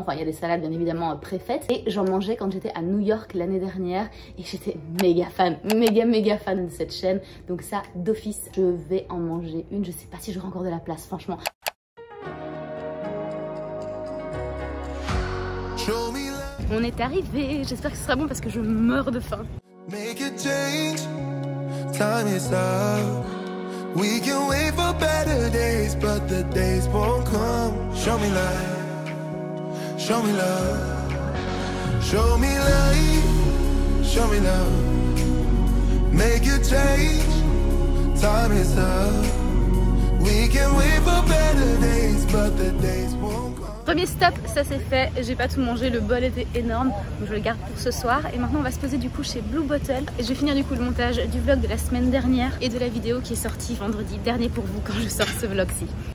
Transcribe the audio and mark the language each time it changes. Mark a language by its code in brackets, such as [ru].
[fr] Enfin il y a des salades bien évidemment préfaites et j'en mangeais quand j'étais à New York l'année dernière et j'étais méga fan de cette chaîne, donc ça d'office je vais en manger une. Je sais pas si j'aurai encore de la place franchement. On est arrivé, j'espère que ce sera bon parce que je meurs de faim. [en] Make a change, time is up. We can wait for better days, but the days won't come. Show me life, show me love. Show me life, show me love. Make a change, time is up. We can wait for better days, but the days won't come. [fr] Premier stop, ça c'est fait, j'ai pas tout mangé, le bol était énorme, donc je le garde pour ce soir. Et maintenant on va se poser du coup chez Blue Bottle et je vais finir du coup le montage du vlog de la semaine dernière et de la vidéo qui est sortie vendredi dernier pour vous quand je sors ce vlog-ci.